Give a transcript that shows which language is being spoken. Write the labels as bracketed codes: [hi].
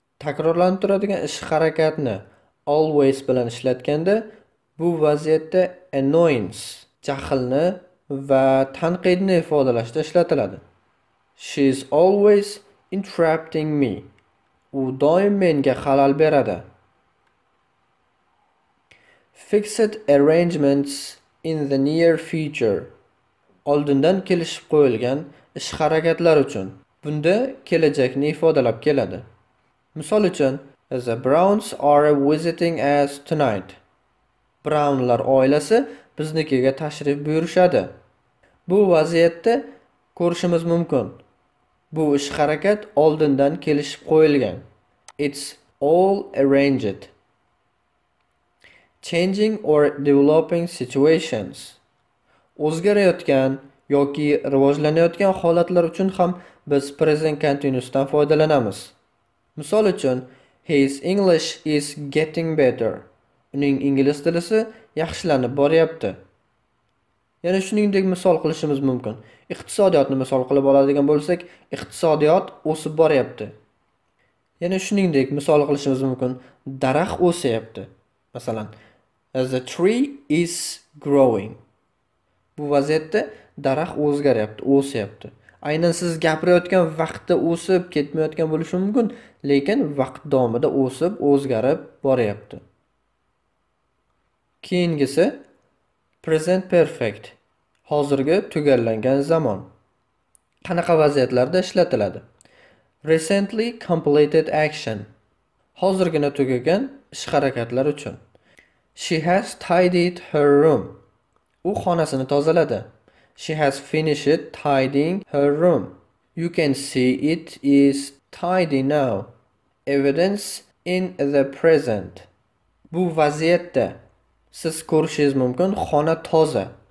[uz] Takrorlanadigan ish harakatni always bilan ishlatganda bu vaziyatda annoyance jahlni va tanqidni ifodalashda ishlatiladi. [en] She is always interrupting me. [uz] U doim menga xalal beradi. [en] Fixed arrangements in the near future. [uz] Oldindan kelishib qo'yilgan ish harakatlar uchun. Bunda kelajakni ifodalab keladi. Misol uchun, [en] the Browns are visiting us tonight. [uz] Brownlar oilasi biznikiga tashrif buyurishadi. Bu vaziyatda ko'rishimiz mumkin. Bu ish harakat oldindan kelishib qo'yilgan. [en] It's all arranged. Changing or developing situations. [uz] O'zgarayotgan yoki rivojlanayotgan holatlar uchun ham biz present continuousdan foydalanamiz. Misol uchun, [en] his English is getting better. [uz] Uning ingliz tilisi yaxshilanib boryapti. Yana shuningdek misol qilishimiz mumkin. Iqtisodiyotni misol qilib oladigan bo'lsak, iqtisodiyot o'sib boryapti. Yana shuningdek misol qilishimiz mumkin. Daraxt o'sayapti. Masalan, [en] as the tree is growing. [uz] Bu vaziyatda daraxt o'zgaryapti, o'syapti. Aynan siz gapirayotgan vaqtda o'sib ketmayotgan bo'lishi mumkin, lekin vaqt davomida o'sib, o'zgarib boryapti. Keyingisi present perfect. Hozirgi tugallangan zamon. Qanaqa vaziyatlarda ishlatiladi? Recently completed action. Hozirgina tugagan ish harakatlar uchun. [en] She has tidied her room. [uz] U xonasini tozaladi. [en] She has finished tidying her room. You can see it is tidy now. Evidence in the present. [uz] Bu vaziyatda siz ko'rishingiz mumkin, xona toza.